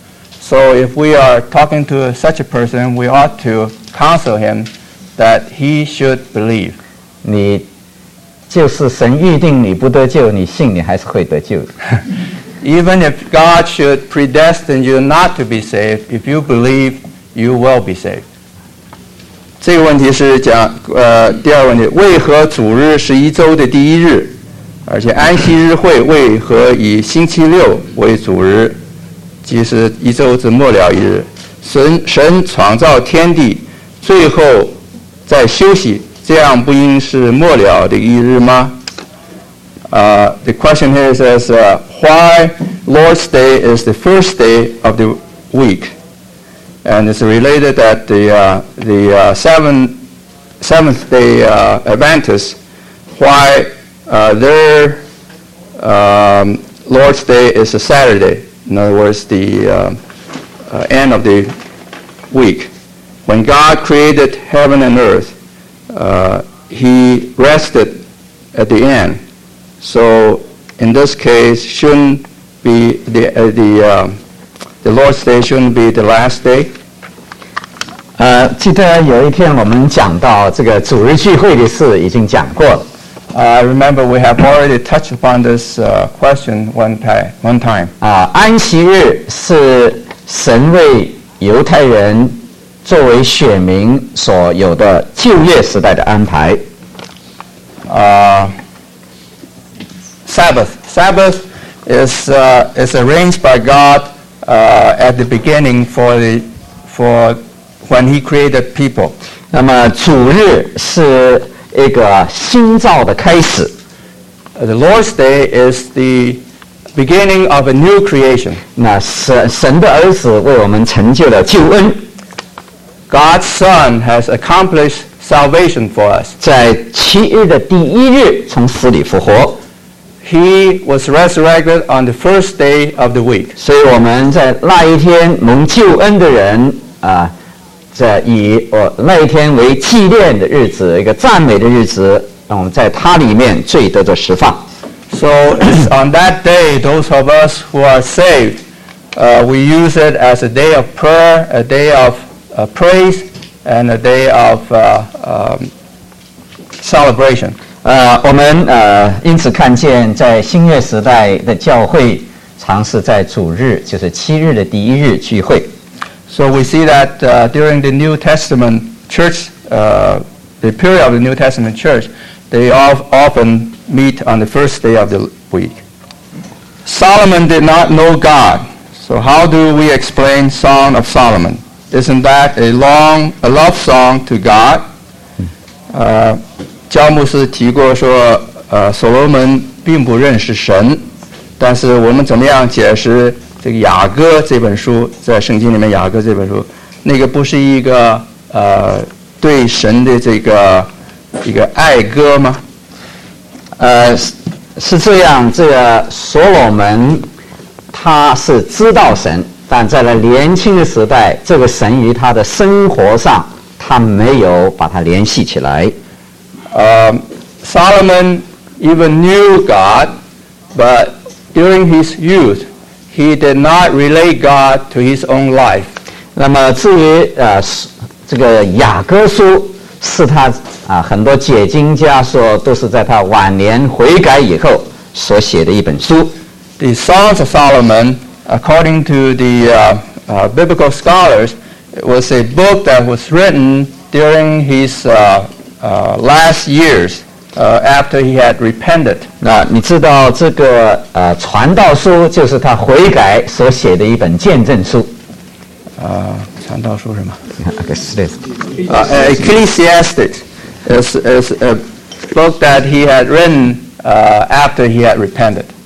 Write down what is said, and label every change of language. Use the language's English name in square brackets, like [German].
[English] So if we are talking to such a person, we ought to counsel him that he should believe. [Chinese] 你就是神预定你不得救，你信你还是会得救的。 [English] Even if God should predestine you not to be saved, if you believe, you will be saved. [Chinese] 这个问题是讲第二问题，为何主日是一周的第一日，而且安息日会为何以星期六为主日，即是一周之末了一日？神创造天地，最后在休息，这样不应是末了的一日吗？ [English] The question here says, why Lord's Day is the first day of the week? And it's related that the Seventh-day Adventists, why their Lord's Day is a Saturday, in other words, the end of the week. When God created heaven and earth, he rested at the end. So, in this case, shouldn't be the Lord's Day shouldn't be the last day? [Chinese] 记得有一天我们讲到这个主日聚会的事已经讲过了。 [English] I remember we have already touched upon this question one time. [Chinese] 安息日是神为犹太人作为选民所有的旧约时代的安排。 [English] Sabbath is arranged by God at the beginning for when He created people. [Chinese] 那么主日是一个新造的开始。 [English] The Lord's Day is the beginning of a new creation. [Chinese] 那神的儿子为我们成就了救恩。 [English] God's Son has accomplished salvation for us. [Chinese] 在七日的第一日从死里复活。 [English] He was resurrected on the first day of the week. [Chinese] 所以我们在那一天蒙救恩的人在以那一天为纪念的日子，一个赞美的日子，让我们在他里面罪得的释放。 [English] So on that day, those of us who are saved, we use it as a day of prayer, a day of praise, and a day of celebration. [Chinese] 我们因此看见在新约时代的教会常是在主日，就是七日的第一日聚会。 [English] So we see that during the New Testament church, the period of the New Testament church, they often meet on the first day of the week. Solomon did not know God. So how do we explain Song of Solomon? Isn't that a love song to God? [Chinese] 教牧师提过说所罗门并不认识神，但是我们怎么样解释这个雅歌这本书，在圣经里面雅歌这本书那个不是一个对神的这个一个爱歌吗？是这样，这个所罗门他是知道神，但在了年轻的时代，这个神与他的生活上他没有把它联系起来。 [English] Solomon even knew God, but during his youth, he did not relate God to his own life. [Chinese] 那么至于这个雅歌书，是他啊，很多解经家说都是在他晚年悔改以后所写的一本书。 [English] The Songs of Solomon, according to the biblical scholars, was a book that was written during his last years, after he had repented. [Chinese] 那你知道这个传道书就是他悔改所写的一本见证书。传道书什么？ [English] Ecclesiastes is a book that he had written after he had repented.